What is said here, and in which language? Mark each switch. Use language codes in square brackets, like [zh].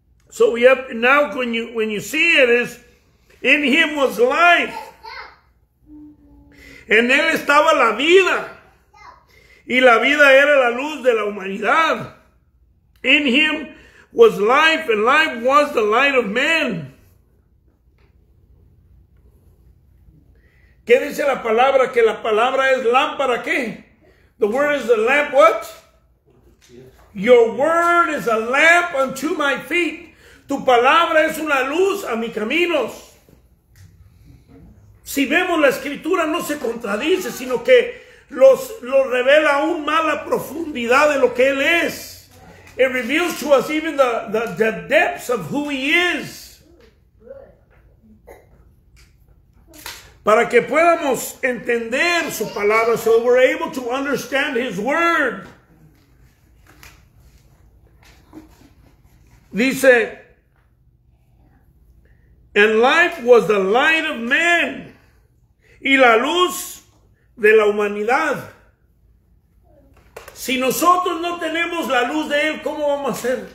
[en] So we have now, when you see it, is in him was life. [es] En él estaba la vida. Y la vida era la luz de la humanidad. [en] In him was life, and life was the light of men. [es] ¿Qué dice la palabra? Que la palabra es lámpara, ¿qué? [en] The word is the lamp, what? Your word is a lamp unto my feet. [es] Tu palabra es una luz a mis caminos. Si vemos la escritura, no se contradice, sino que lo revela aún más la profundidad de lo que él es. [en] It reveals to us even the depths of who he is. [es] Para que podamos entender su palabra, [en] so we're able to understand his word. Dice, and life was the light of man. [es] Y la luz de la humanidad. Si nosotros no tenemos la luz de él, ¿cómo vamos a hacer?